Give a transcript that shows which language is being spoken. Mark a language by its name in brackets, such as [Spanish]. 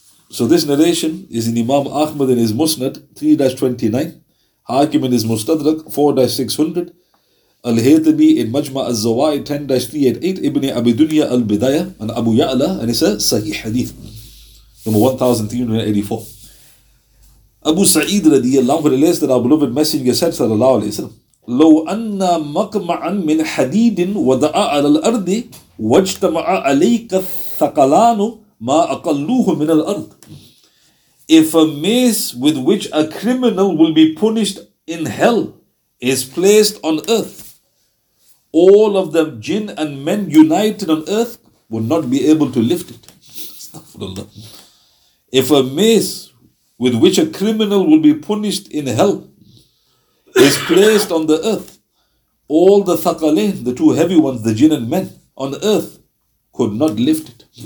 [English] So this narration is in Imam Ahmad in his Musnad 3-29, Hakim in his Mustadrak 4-600, Al-Haythami in Majma' al-Zawai 10-388, Ibn Abi Dunya al-Bidaya and Abu Ya'la, and it's a Sahih Hadith, number 1384. Abu Sa'id relates that our beloved Messenger said, sallallahu alayhi wa sallam, [Arabic] لو أن مقمعا من حديد وضع على الأرض واجتمع عليك الثقلان ما أقلوه من الأرض. [English] If a mace with which a criminal will be punished in hell is placed on earth, all of them, jinn and men united on earth, would not be able to lift it. Astaghfirullah. If a mace with which a criminal will be punished in hell is placed on the earth, all the thakalain, the two heavy ones, the jinn and men on earth, could not lift it.